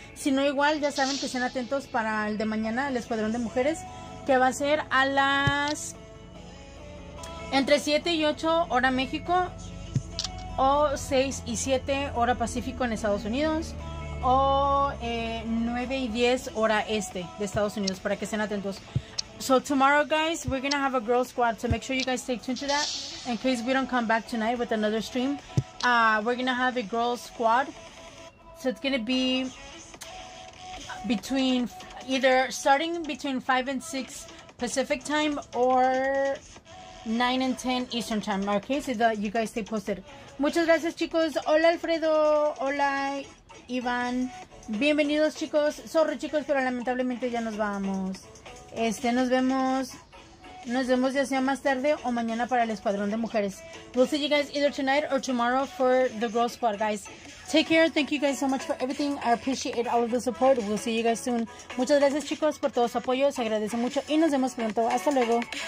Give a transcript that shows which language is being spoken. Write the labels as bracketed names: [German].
[Spanish] Si no, igual ya saben que estén atentos para el de mañana, el Escuadrón de Mujeres, que va a ser a las entre 7 y 8 hora México, o 6 y 7 hora Pacífico en Estados Unidos, o 9 y 10 hora Este de Estados Unidos, para que estén atentos. [English] So tomorrow, guys, we're going to have a girl squad, so make sure you guys stay tuned to that. In case we don't come back tonight with another stream, we're going to have a girl squad. So it's going to be between either starting between 5 and 6 Pacific time or 9 and 10 Eastern time. Okay, so that you guys stay posted. [Spanish] Muchas gracias, chicos. Hola, Alfredo. Hola, Iván. Bienvenidos, chicos. [English] Sorry, [Spanish] chicos, pero lamentablemente ya nos vamos. Nos vemos ya sea más tarde o mañana para el Escuadrón de Mujeres. [English] We'll see you guys either tonight or tomorrow for the Girl Squad, guys. Take care. Thank you guys so much for everything. I appreciate all of the support. We'll see you guys soon. [Spanish] Muchas gracias, chicos, por todo su apoyo. Se agradece mucho y nos vemos pronto. Hasta luego.